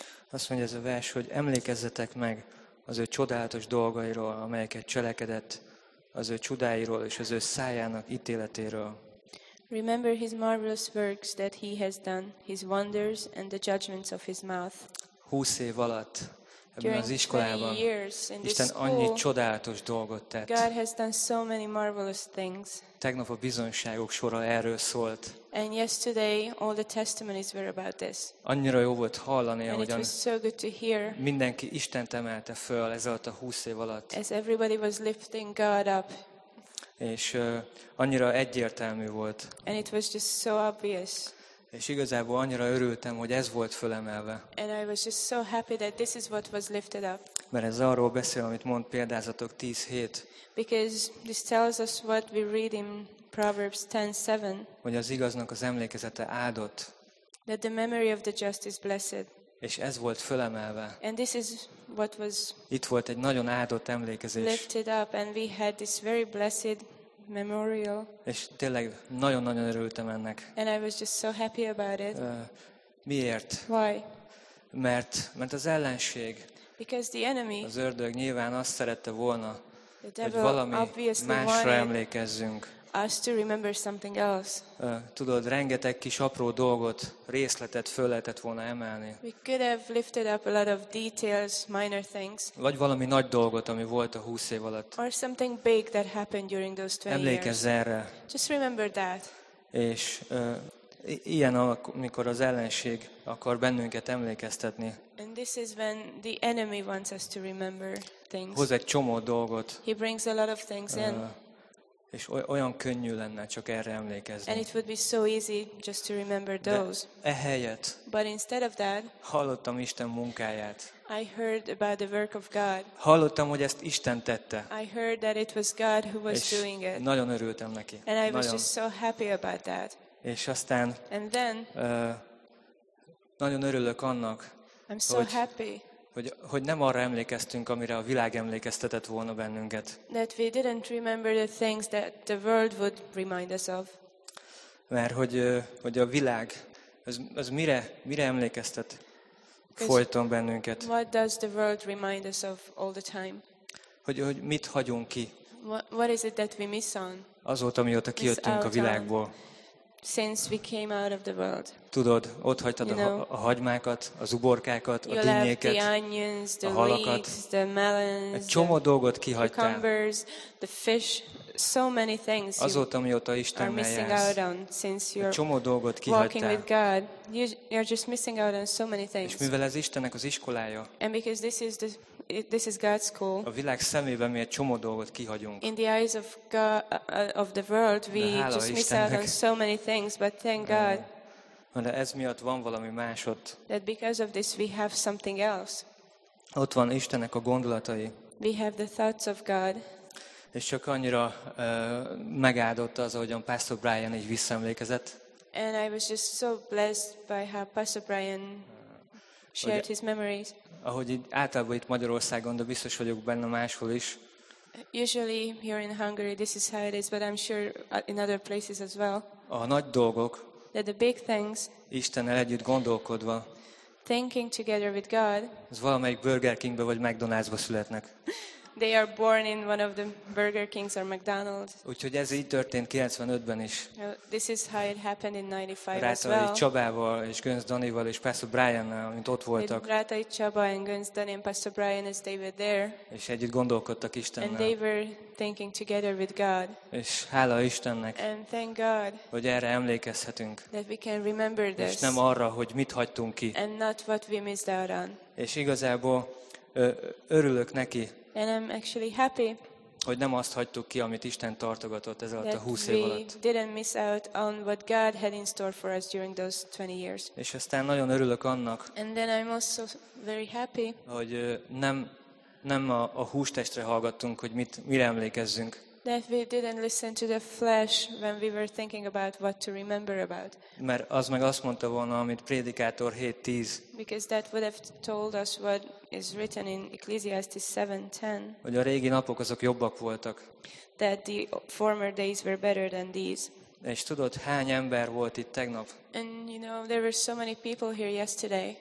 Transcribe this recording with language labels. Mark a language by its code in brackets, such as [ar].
[hu] Azt mondja ez a vers, hogy emlékezzetek meg az ő csodálatos dolgairól, amelyeket cselekedett, az ő csodáiról és az ő szájának ítéletéről. [en] Remember his marvelous works that he has done, his wonders and the judgments of his mouth. [hu] 20 év alatt ebben az iskolában Isten annyi csodálatos dolgot tett. [en] God has done so many marvelous things. [hu] Tegnap a bizonyságok sora erről szólt. [en] And yesterday all the testimonies were about this. [hu] Annyira jó volt hallani, ahogyan [en] so good to hear, [hu] mindenki Istent emelte föl ez alatt a 20 év alatt. [en] As everybody was lifting God up. [hu] És annyira egyértelmű volt. [en] And it was just so obvious. [hu] És igazából annyira örültem, hogy ez volt fölemelve. [en] And I was just so happy that this is what was lifted up. [hu] Mert ez arról beszél, amit mond Példázatok 10:7. [en] Because this tells us what we read in Proverbs 10:7. [hu] Hogy az igaznak az emlékezete áldott. [en] That the memory of the just is blessed. [hu] És ez volt fölemelve. [en] And this is what was. [hu] Itt volt egy nagyon áldott emlékezés. [en] Lifted up and we had this very blessed memorial. [hu] És tényleg nagyon-nagyon örültem ennek. [en] And I was just so happy about it. [hu] Miért? [en] Why? [hu] Mert az ellenség, [en] because the enemy, [hu] az ördög nyilván azt szerette volna, hogy valami másra emlékezzünk. [en] Us to remember something else. [hu] Tudod, rengeteg kis apró dolgot, részletet föl lehetett volna emelni. [en] We could have lifted up a lot of details, minor things. [hu] Vagy valami nagy dolgot, ami volt a 20 év alatt. [en] Or something big that happened during those 20 years. [hu] Emlékezz erre. [en] Just remember that. [hu] És ilyen, amikor az ellenség akar bennünket emlékeztetni. [en] And this is when the enemy wants us to remember things. [hu] Hoz egy csomó dolgot. [en] He brings a lot of things in. [hu] És olyan könnyű lenne csak erre emlékezni. [en] And it would be so easy just to remember those. [hu] De ehelyett, [en] but instead of that, [hu] hallottam Isten munkáját. [en] I heard about the work of God. [hu] Hallottam, hogy ezt Isten tette. [en] I heard that it was God who was doing it. [hu] Nagyon örültem neki. [en] And I [hu] nagyon [en] was just so happy about that. [hu] És aztán, [en] and then, [hu] nagyon örülök annak, [en] I'm so [hu] hogy [en] happy. [hu] Hogy nem arra emlékeztünk, amire a világ emlékeztetett volna bennünket. [en] That we didn't remember the things that the world would remind us of. [hu] Mert hogy a világ, az mire emlékeztet folyton bennünket. [en] What does the world remind us of all the time? [hu] Hogy mit hagyunk ki. [en] What is it that we miss on? [hu] Azóta, mióta kijöttünk a világból. [en] since we came out of the world. [hu] Tudod, ott hagytad a hagymákat, az uborkákat, a dinnyéket, [en] the onions, the [hu] a halakat, [en] leeks, the melons, [hu] egy csomó dolgot kihagytál. [en] The cucumbers, the fish, so many things. [hu] Azóta, mióta Istennel jársz, egy csomó dolgot kihagytál. [en] With God, you're just missing out on so many things. [hu] És mivel ez Istennek az iskolája, [en] and because this is God's school, [hu] a világ szemében mi egy csomó dolgot kihagyunk. [en] In the eyes of God, of the world, we just miss out on so many things, but thank God. [hu] De ez miatt van valami más ott. [en] That because of this we have something else. [hu] Ott van Istennek a gondolatai. [en] We have the thoughts of God. [hu] És csak annyira megáldotta az, ahogyan Pastor Brian így visszaemlékezett. [en] And I was just so blessed by how Pastor Brian shared his memories. [hu] Ahogy így általában itt Magyarországon, de biztos vagyok benne máshol is. [en] Usually here in Hungary this is how it is, but I'm sure in other places as well. [hu] A nagy dolgok. [en] That the big things, [hu] Istennel együtt gondolkodva, [en] thinking together with God, [hu] az valamelyik Burger Kingbe vagy McDonald'sba születnek. [en] They are born in one of the Burger Kings or McDonald's. [hu] Úgyhogy ez így történt 95-ben is. [en] This is how it happened in 95 [hu] Rátai [en] as well. [hu] Rátai Csabával és Gönc Danival és Pastor Briannal, mint ott voltak. [en] Rátai Csaba and Gönc Dani and Pastor Brian as they were there. [hu] És együtt gondolkodtak Istennel. [en] And they were thinking together with God. [hu] És hála Istennek. [en] And thank God. [hu] Hogy erre emlékezhetünk. [en] That we can remember this. [hu] És nem arra, hogy mit hagytunk ki. [en] And not what we missed out on. [hu] És igazából örülök neki. [en] And I'm actually happy. [hu] Hogy nem azt hagytuk ki, amit Isten tartogatott ez alatt a 20 év alatt. [en] We didn't miss out on what God had in store for us during those 20 years. [hu] És aztán nagyon örülök annak. [en] And then I'm also very happy. [hu] Hogy nem a hústestre hallgattunk, hogy mire emlékezzünk. [en] That we didn't listen to the flesh when we were thinking about what to remember about. [hu] Mert az meg azt mondta volna, amit Prédikátor 7:10. [en] Because that would have told us what is written in Ecclesiastes 7:10. [hu] Hogy a régi napok azok jobbak voltak. [en] That the former days were better than these. [hu] És tudod, hány ember volt itt tegnap? [en] And you know, there were so many people here yesterday.